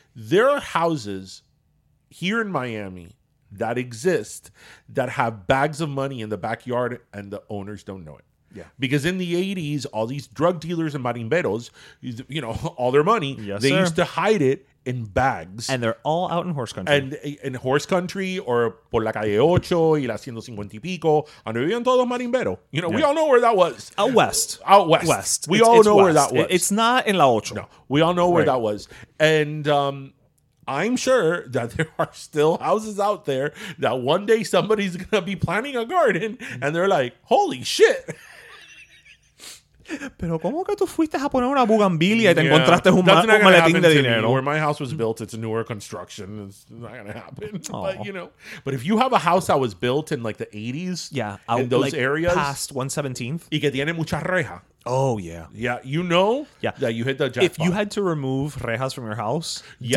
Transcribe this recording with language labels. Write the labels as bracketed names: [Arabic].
[English] There are houses here in Miami that exist that have bags of money in the backyard and the owners don't know it. Yeah. Because in the 80s, all these drug dealers and marimberos, you know, all their money, yes, they sir. Used to hide it in bags. And they're all out in horse country. And in horse country or [Spanish] por la calle 8 y la 150 y pico. [English] And we all know where that was. Out west. Where that was. It's not in la 8. No. We all know where that was. And I'm sure that there are still houses out there that one day somebody's going to be planting a garden and they're like, holy shit. [Spanish] Pero cómo que tú fuiste a poner una bugambilia y te encontraste un maletín de dinero. [English] Where my house was built, it's a newer construction. It's not gonna happen. Aww. But you know, but if you have a house that was built in like the 80s, yeah, in those like areas past 117th, [Spanish] y que tiene mucha reja. [English] Oh yeah, yeah. You know, yeah. That you hit the jackpot. If you had to remove rejas from your house, yes.